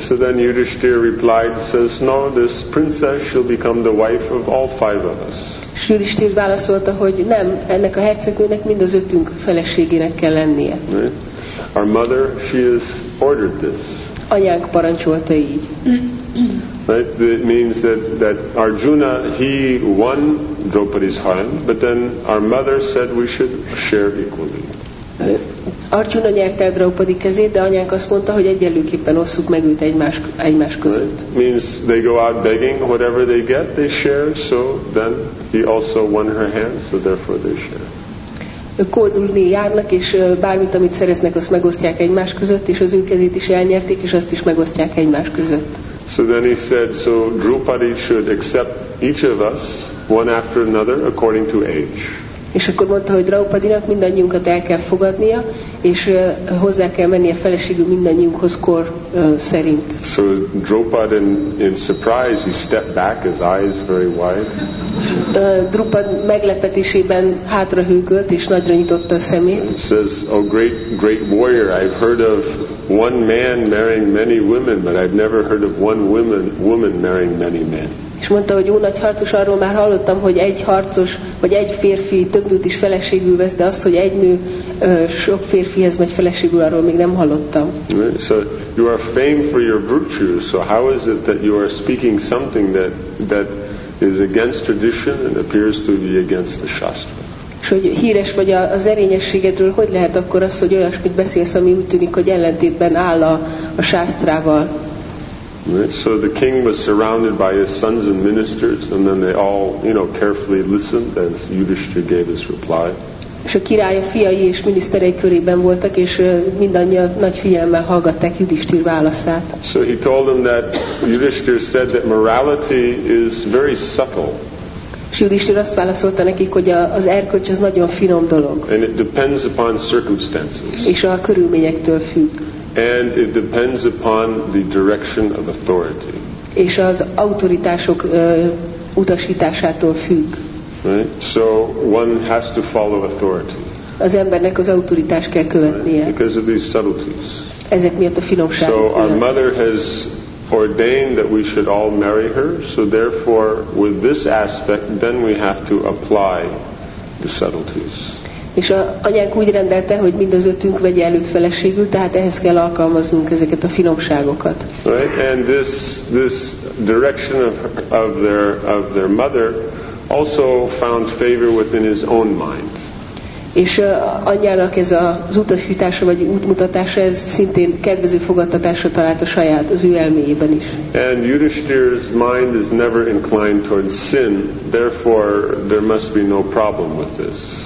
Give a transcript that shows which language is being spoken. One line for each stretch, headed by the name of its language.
English: So then Yudhishthir replied, says, "No, this princess shall become the wife of all five of us."
Hungarian: És Yudhishthir válaszolta, hogy nem, ennek a hercegnőnek mind az ötünk feleségének kell lennie.
English: Right? Our mother, she has ordered this.
Hungarian: Anyánk parancsolta így.
English: Right? It means that Arjuna, he won Draupadi's heart, but then our mother said we should share equally.
Hungarian: Arjuna nyerte el Draupadi kezét, de anyánk azt mondta, hogy egyenlőképpen osszuk meg őt egymás között.
English: Right? Means they go out begging, whatever they get, they share, so then he also won her hand, so therefore they share.
Hungarian: Kódulni járnak, és bármit, amit szereznek, azt megosztják egymás között, és az ő kezét is elnyerték, és azt is megosztják egymás között.
English: So then he said, so Draupadi should accept each of us, one after another, according to age.
Hungarian: És akkor mondta, hogy Draupadinak mindannyiunkat el kell fogadnia, és hozzá kell mennie a feleségül mindannyiunkhoz kor szerint.
English: So Draupad in surprise, he stepped back, his eyes very wide.
Hungarian: Draupad meglepetésében hátra hűgölt, és nagyra nyitotta a szemét.
English: And says, "Oh, great warrior, I've heard of one man marrying many women, but I've never heard of one woman marrying many men."
Hungarian: És mondta, hogy jó nagy harcos, arról már hallottam, hogy egy harcos, vagy egy férfi több nőt is feleségül vesz, de az, hogy egy nő sok férfihez megy feleségül, arról még nem hallottam.
English: So you are famed for your virtues, so how is it that you are speaking something that is against tradition and appears to be against the Shastra?
Hungarian: És hogy híres vagy az erényességedről, hogy lehet akkor az, hogy olyasmit beszélsz, ami úgy tűnik, hogy ellentétben áll a Shastrával?
English: Right? So the king was surrounded by his sons and ministers, and then they all, you know, carefully listened as Yudhishthir gave his reply.
Hungarian: És a király, a fiai és miniszterei körében voltak, és mindannyian nagy figyelemmel hallgatták Yudhishthir válaszát.
English: So he told them that Yudhishthir said that morality is very subtle.
Hungarian: És Yudhishthir azt válaszolta nekik, hogy az erkölcs az nagyon finom dolog.
English: And it depends upon circumstances.
Hungarian: És a körülményektől függ.
English: And it depends upon the direction of authority.
Hungarian: És az autoritások utasításától függ.
English: Right? So one has to follow authority.
Hungarian: Az embernek az autoritást kell követnie.
English: Right? Because of these subtleties.
Hungarian: Ezek miatt a finomság.
English: So our mother has ordained that we should all marry her, so therefore with this aspect then we have to apply the subtleties.
Hungarian: És a anyánk úgy rendelte, hogy mind az ötünk vegye előtt feleségül, tehát ehhez kell alkalmaznunk ezeket a finomságokat.
English: Right, and this direction of their mother also found favor within his own mind.
Hungarian: És anyjának ez az utasítása vagy útmutatása, ez szintén kedvező fogadtatásra talált a saját, az ő elméjében is.
English: And Yudhishthira's mind is never inclined towards sin, therefore there must be no problem with this.